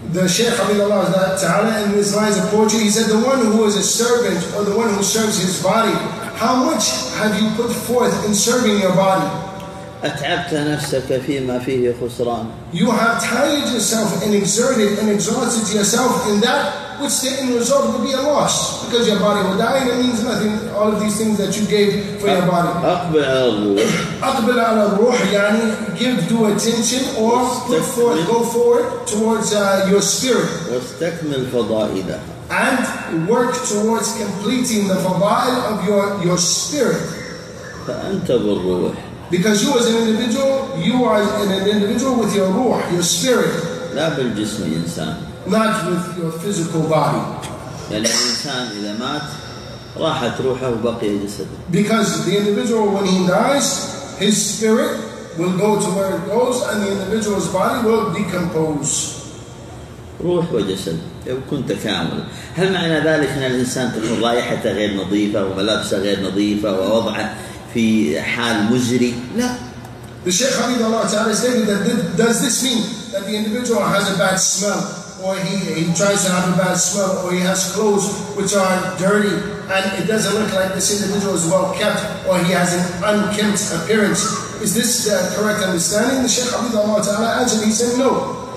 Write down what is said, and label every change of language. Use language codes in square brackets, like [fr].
[en] The Shaykh [ar] حفظه الله تعالى [en] in these lines of poetry, he said, the one who is a servant or the one who serves his body, how much have you put forth in serving your body? [ar] أتعبت نفسك فيما فيه خسران. [en] You have tired yourself and exerted and exhausted yourself in that which the end result will be a loss, because your body will die and it means nothing all of these things that you gave for your body. [ar] أقبل على الروح. أقبل على الروح يعني [en] give due attention or put forth, go forward towards your spirit. [ar] واستكمل فضائلها. [en] And work towards completing the fada'il of your spirit. [ar] فأنت بالروح. [en] Because you as an individual, you are an individual with your ruh, your spirit. [ar] لا بالجسم الإنسان. [en] Not with your physical body. [ar] الإنسان إذا مات راحت روحه وبقي جسده. [en] Because the individual when he dies, his spirit will go to where it goes and the individual's body will decompose. [ar] روح وجسد يكون تكامل. هل معنى ذلك أن الإنسان تكون رائحته غير نظيفة وملابسه غير نظيفة ووضعه في حال مزري؟ لا. [en] The Shaykh Hamid Allah Ta'ala is saying that does this mean that the individual has a bad smell, or he tries to have a bad smell, or he has clothes which are dirty and it doesn't look like this individual is well kept, or he has an unkempt appearance? Is this the correct understanding? The Shaykh Hamid Allah Ta'ala answered, he said no.